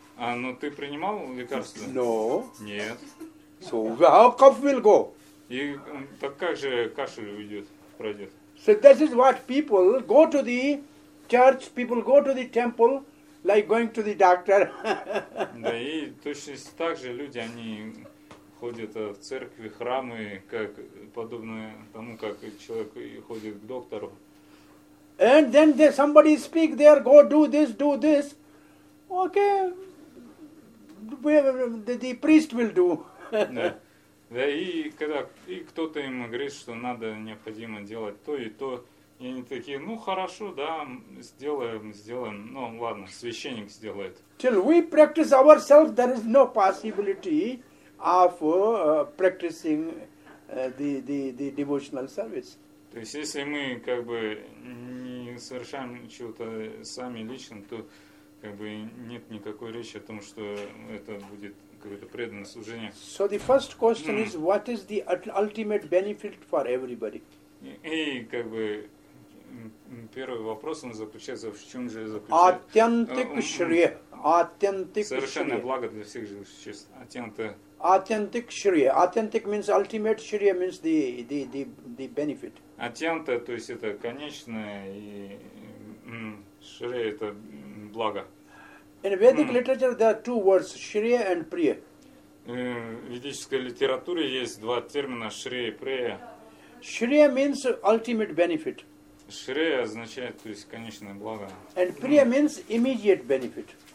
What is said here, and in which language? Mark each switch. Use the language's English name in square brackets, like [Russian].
[Russian] А, но ты принимал лекарства? [English] No. [Russian] Нет. [English] So, how cough will go? [Russian] И так как же кашель уйдет, пройдет? [English] So, this is what people go to the church, people go to the temple, like going to the doctor. [Russian] Да, и точно так же люди, они ходят в церкви, храмы, как подобное тому, как человек ходит к доктору. [English] And then somebody speak there, go do this, do this. Okay. The priest will do. [Russian] Да, и когда и кто-то им говорит, что надо, необходимо делать то и то, и они такие, ну хорошо, да, сделаем, ну ладно, священник сделает. [English] Till we practice ourselves, there is no possibility of practicing the devotional service. [Russian] То есть, если мы как бы не совершаем чего-то сами лично, то как бы нет никакой речи о том, что это будет какое-то преданное служение. [English] So the first question is, what is the ultimate benefit for everybody? [Russian] И как бы первый вопрос он заключается, в чем же заключается? [English] Authentic shri. [Russian] Совершенное благо для всех живых существ. [English] Authentic shri. Authentic means ultimate shri means the benefit. [Russian] Атьянта, то есть это конечное, и шри это благо. [English] In Vedic literature there are two words, shri and priya. [Russian] В ведической литературе есть два термина, шри и прия. [English] Shri means ultimate benefit. [Russian] Шри означает, то есть конечное благо. [English] And priya means immediate benefit.